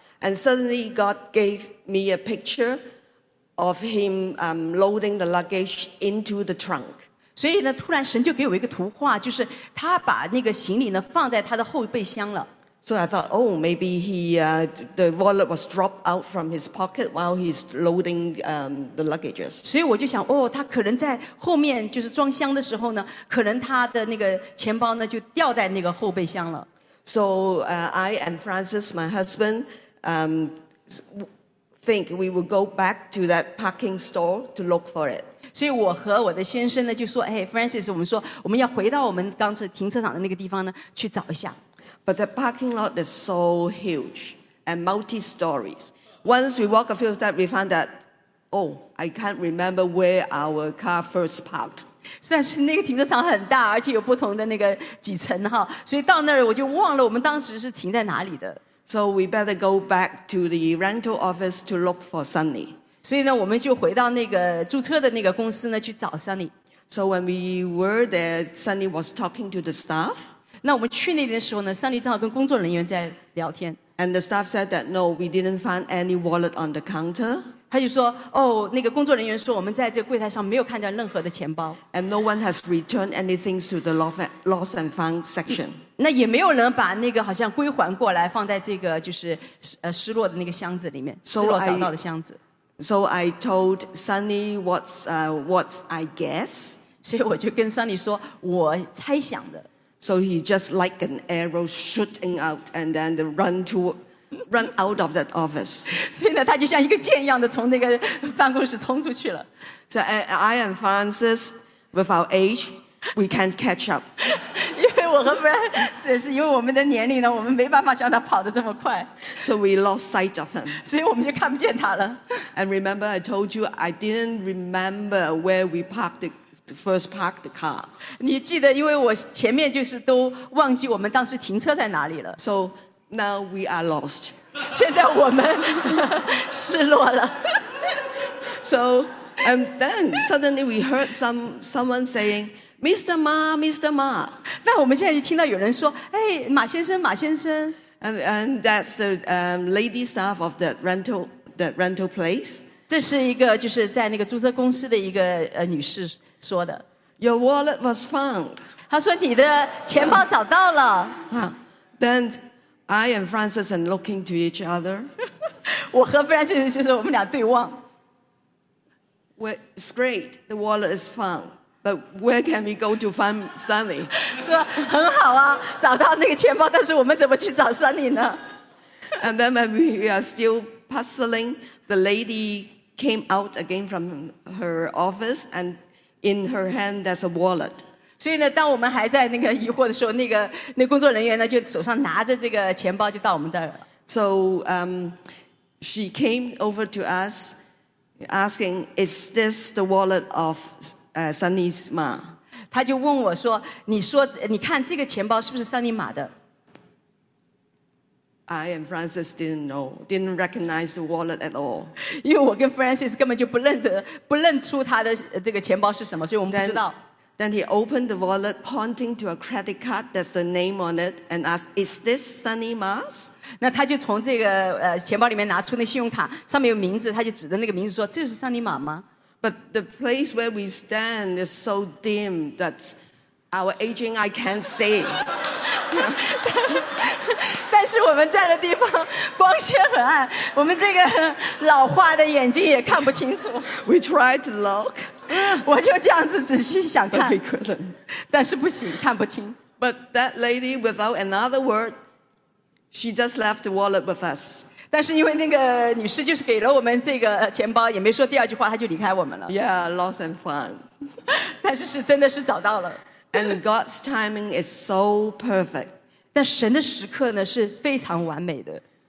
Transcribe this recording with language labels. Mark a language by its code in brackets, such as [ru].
[en] And suddenly God gave me a picture of him loading the luggage into the trunk. [zh] 所以呢，突然神就给我一个图画，就是他把那个行李呢放在他的后备箱了。 [en] So I thought, oh, maybe he the wallet was dropped out from his pocket while he's loading the luggages. [zh] 所以我就想，哦，他可能在后面就是装箱的时候呢，可能他的那个钱包呢就掉在那个后备箱了。 [en] So I and Francis, my husband, think we will go back to that parking store to look for it. [zh] 所以我和我的先生呢就说, hey, Francis, 我们说我们要回到我们刚才停车场的那个地方呢去找一下。 [en] But the parking lot is so huge and multi-stories. Once we walk a few steps, we found that, oh, I can't remember where our car first parked. [zh] 但是那个停车场很大,而且有不同的那个几层,所以到那儿我就忘了我们当时是停在哪里的。 [en] So we better go back to the rental office to look for Sunny. [zh] 所以呢，我们就回到那个注册的那个公司呢，去找 Sunny. [en] So when we were there, Sunny was talking to the staff. [zh] 那我们去那边的时候呢 ，Sunny 正好跟工作人员在聊天。 [en] And the staff said that no, we didn't find any wallet on the counter. [zh] 他就说，哦，那个工作人员说，我们在这个柜台上没有看见任何的钱包。 [en] And no one has returned anything to the lost and found section. [zh] 那也没有人把那个好像归还过来，放在这个就是失落的那个箱子里面，失落找到的箱子。 [en] So I told Sunny what's I guess. [zh] 所以我就跟 Sunny 说，我猜想的。 [en] So he just like an arrow shooting out and then the run out of that office. [zh] 所以呢，他就像一个箭一样的从那个办公室冲出去了。 [en] So I and Francis, with our age, we can't catch up. [zh] 因为我和 Francis 是因为我们的年龄呢，我们没办法像他跑得这么快。 [en] So we lost sight of him. [zh] 所以我们就看不见他了。 [en] And remember, I told you I didn't remember where we parked first park the car. [zh] 你记得，因为我前面就是都忘记我们当时停车在哪里了。 [en] So now we are lost. [zh] 现在我们失落了。 [en] So and then suddenly we heard someone saying, "Mr. Ma, Mr. Ma." [zh] 那我们现在就听到有人说，哎，马先生，马先生。 [en] And that's the lady staff of that rental place. [zh] 这是一个就是在那个租车公司的一个女士。说的 [en] Your wallet was found. [zh] 他说你的钱包找到了 [en] Then I and Francis are looking to each other. [zh] 我和 Francis 就是我们俩对望 [en] It's great, the wallet is found. But where can we go to find Sunny? [zh] 说很好啊，找到那个钱包，但是我们怎么去找 Sunny 呢 [en] And then when we are still puzzling, the lady came out again from her office andIn her hand, there's a wallet. [zh] 所以呢，当我们还在那个疑惑的时候，那工作人员呢，就手上拿着这个钱包就到我们这儿了。 [en] So, she came over to us, asking, "Is this the wallet of Sunny's Ma?" [zh] 她就问我说，你看这个钱包是不是 Sunny 妈的？ [en] I and Francis didn't recognize the wallet at all. [zh] 因为我跟 Francis 根本就不认出他的这个钱包是什么，所以我们不知道。 [en] Then he opened the wallet, pointing to a credit card that's the name on it, and asked, "Is this Sunny Ma's?" [zh] 那他就从这个钱包里面拿出那信用卡，上面有名字，他就指着那个名字说，这是 Sunny Ma 吗？ [en] But the place where we stand is so dim that our aging eye can't see. [zh] 但是我们站的地方光线很暗，我们这个老花的眼睛也看不清楚。 [en] We tried to look. [zh] 我就这样子仔细想看。 [en] But we couldn't. [zh] 但是不行，看不清。 [en] But that lady, without another word, she just left the wallet with us. [zh] 但是因为那个女士就是给了我们这个钱包，也没说第二句话，她就离开我们了。 [en] Yeah, lost and found. [zh] 但是真的是找到了。 [en] And God's timing is so perfect. [zh] 但神的时刻呢是非常完美的。